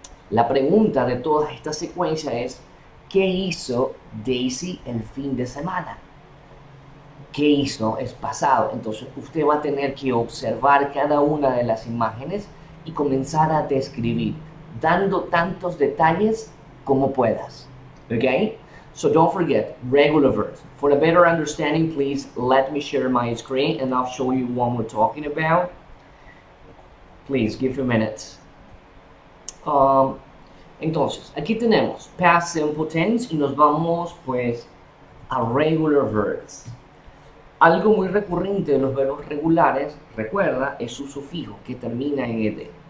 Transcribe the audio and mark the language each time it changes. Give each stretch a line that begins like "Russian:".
Spanish: La pregunta de toda esta secuencia es, ¿qué hizo Daisy el fin de semana? ¿Qué hizo? Es pasado. Entonces, usted va a tener que observar cada una de las imágenes y comenzar a describir, dando tantos detalles como puedas.
English: Okay? So, don't forget, regular verbs. For a better understanding, please let me share my screen and I'll show you what we're talking about. Please, give a minute.
Spanish: Entonces, aquí tenemos past simple tense y nos vamos, pues, a regular verbs. Algo muy recurrente de los verbos regulares, recuerda, es su sufijo, que termina en ed.